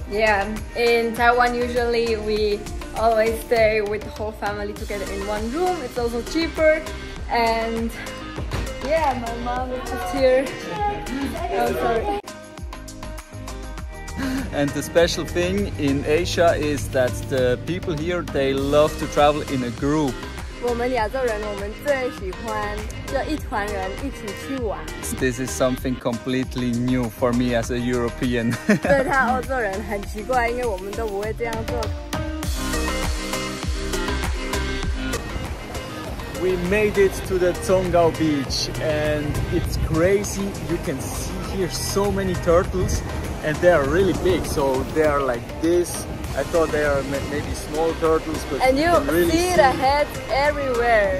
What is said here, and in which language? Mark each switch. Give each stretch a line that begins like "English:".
English: Yeah, in Taiwan usually we always stay with the whole family together in one room. It's also cheaper. And yeah, my mom is just here. I'm sorry. And the special thing in Asia is that the people here, they love to travel in a group.
Chinese: 我们亚洲人，我们最喜欢就一团人一起去玩。
English: This is something completely new for me as a European.
Chinese: 对他欧洲人很奇怪，因为我们都不会这样做。
English: We made it to the Tonggao Beach, and it's crazy. You can see here so many turtles. And they are really big, so they are like this. I thought they are maybe small turtles, but and you can really see the heads everywhere.